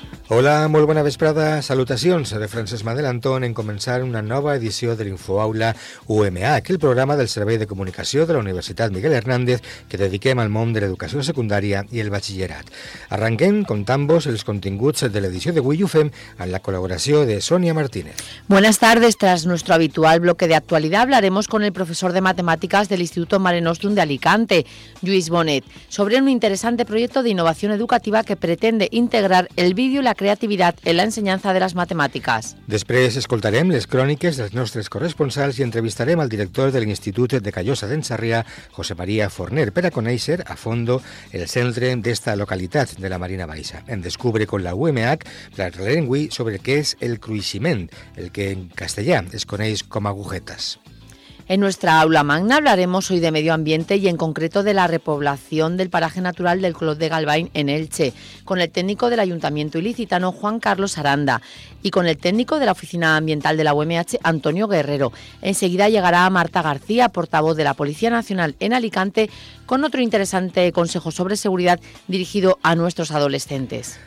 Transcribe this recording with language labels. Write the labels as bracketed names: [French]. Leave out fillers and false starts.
[Catalan] Hola, molt bona vesprada. Salutacions de Francesc Madelantón en començar una nova edició de l'InfoAula UMH, el programa del Servei de Comunicació de la Universitat Miguel Hernández que dediquem al món de l'educació secundària i el batxillerat. Arrenquem, contant-vos, els continguts de l'edició d'avui i ho fem amb la col·laboració de Sònia Martínez. [Spanish] Buenas tardes. Tras nuestro habitual bloque de actualidad, hablaremos con el profesor de matemáticas del Instituto Mare Nostrum de Alicante, Lluís Bonet, sobre un interesante proyecto de innovación educativa que pretende integrar el vídeo [Catalan] la creativitat en la ensenyança de les matemàtiques. Després escoltarem les cròniques dels nostres corresponsals i entrevistarem el director de l'Institut de Callosa d'en Sarrià, José María Forner, per a conèixer a fondo el centre d'esta localitat de la Marina Baixa. En descubre con la UMH la llengua sobre què és el cruiximent, el que en castellà es coneix com agujetes. [Spanish] En nuestra aula magna hablaremos hoy de medio ambiente y en concreto de la repoblación del paraje natural del Clot de Galvain en Elche, con el técnico del Ayuntamiento Ilicitano Juan Carlos Aranda y con el técnico de la Oficina Ambiental de la UMH Antonio Guerrero. Enseguida llegará Marta García, portavoz de la Policía Nacional en Alicante, con otro interesante consejo sobre seguridad dirigido a nuestros adolescentes.